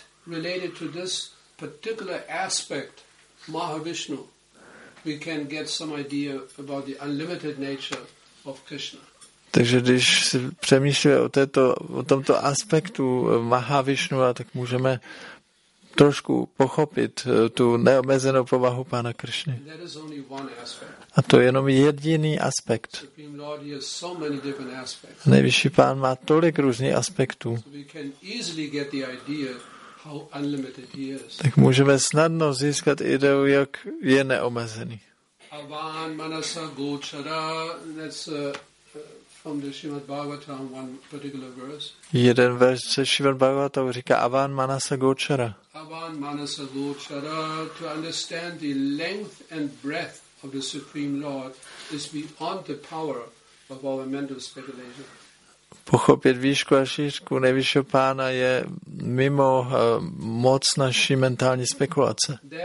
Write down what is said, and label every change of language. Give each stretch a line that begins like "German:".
English: Related to this particular aspect, Mahavishnu, we can get some idea about the unlimited nature of Krishna.
Czech: Takže když si přemýšlíme o tomto aspektu Mahavishnu, tak můžeme trošku pochopit tu neomezenou povahu pána Krishny.
English: That is only one aspect.
Czech: A to je jenom jediný aspekt.
English: Supreme Lord, he has so many different aspects.
Czech: Nejvyšší pán má tolik různých aspektů.
English: So we can easily get the idea. How unlimited he is.
Czech: Tak můžeme snadno získat ideu, jak je neomezený.
Sanskrit: Avan manasa gochara,
English: that's from the Srimad Bhagavatam, one particular verse.
Czech: Jeden verš ze Srimad Bhagavatam říká
Sanskrit: Avan manasa gochara. Avan manasa gochara,
English: to understand the length and breadth of the Supreme Lord is beyond the power of our mental speculation.
Czech: Pochopit výšku a šířku nejvyššího pána je mimo moc naší mentální spekulace.